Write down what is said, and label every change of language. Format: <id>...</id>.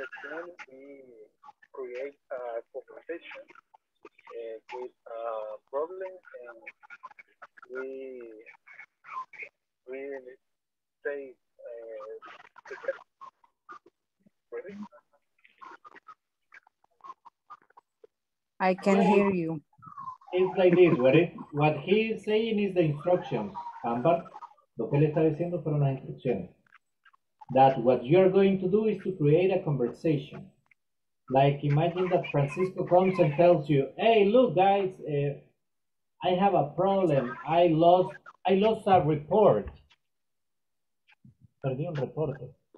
<en>Create a conversation with a problem, and we say I can hear you. It's like this, what he is saying is the instructions, Amber.</en> <es>Lo que le está diciendo fueron las instrucciones.</es> <en>That what you're going to do is to create a conversation. Like, imagine that Francisco comes and tells you, hey, look, guys, I have a problem. I lost a report.</en> <es>Perdí un reporte.</es>